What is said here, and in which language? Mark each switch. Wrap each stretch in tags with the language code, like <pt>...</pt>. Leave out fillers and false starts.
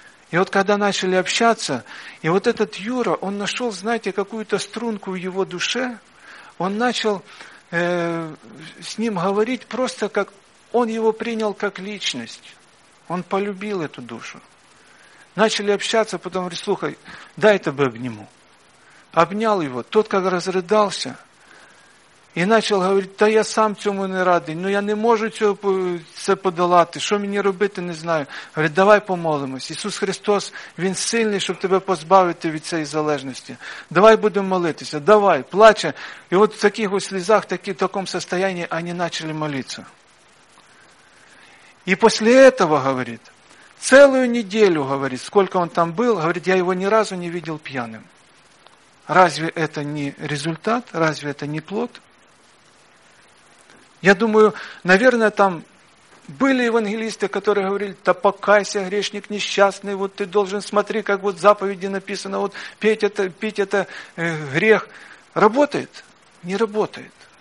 <ru>И вот когда начали общаться, и вот этот Юра, он нашел, знаете, какую-то струнку в его душе, он начал с ним говорить просто как, он его принял как личность, он полюбил эту душу. Начали общаться, потом говорит, слухай, дай тебе обниму. Обнял его, тот как разрыдался. И начал говорить,</ru> <uk>да я сам цьому не радий, но я не можу це подолати, що мені робити, не знаю. Говорить, давай помолимось, Ісус Христос, Він сильний, щоб тебе позбавити від цієї залежності. Давай будемо молитися, давай, плаче. І от в таких ось слізах, в такому состоянии вони начали молитися. І після цього, говорить,</uk> <ru>целую неделю, говорит, сколько он там был, говорит, я его ни разу не видел пьяным. Разве это не результат? Разве это не плод? Я думаю, наверное, там были евангелисты, которые говорили, да покайся, грешник несчастный, вот ты должен, смотри, как вот в заповеди написано, вот пить это грех. Работает? Не работает.</ru>